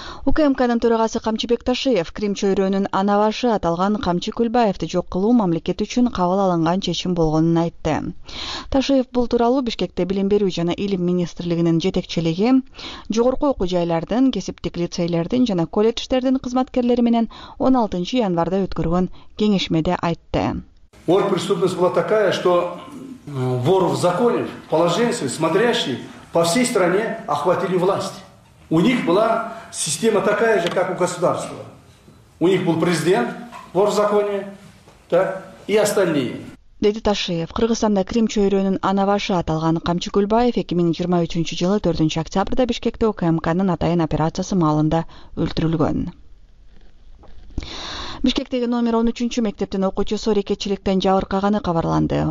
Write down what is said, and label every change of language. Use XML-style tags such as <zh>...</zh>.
<ky>УКМКнын төрагасы Камчыбек Ташиев Крим чөйрөнүн анабашы аталган Камчы Күлбаевди жок кылуу мамлекет үчүн кабыл алынган чечим болгонун айтты. Ташиев бул тууралуу Бишкекте Билим берүү жана Илим министрлигинин жетекчилиги, жогорку окуу жайлардын, кесиптик лицейлердин жана колледждердин кызматкерлери менен 16 январда өткөргөн кеңешмеде айтты.</ky> <ru>Вор преступность была такая, что вор в законе, положенцы, смотрящие по всей стране охватили власть. У них была система такая же, как у государства. У них был президент, вор в законе, так, и остальные.</ru> <ky>Деди Ташиев. Кыргызстанда Крим чөйрөнүн анабашы аталган Камчы Күлбаев 2023 жылы 4 октябрда Бишкекте УКМКнын атайын операциясы маалында өлтүрүлгөн. Бишкектеги номер 13 мектептин окуучусу рекетчиликтен жабыркаганы кабарланды.</ky>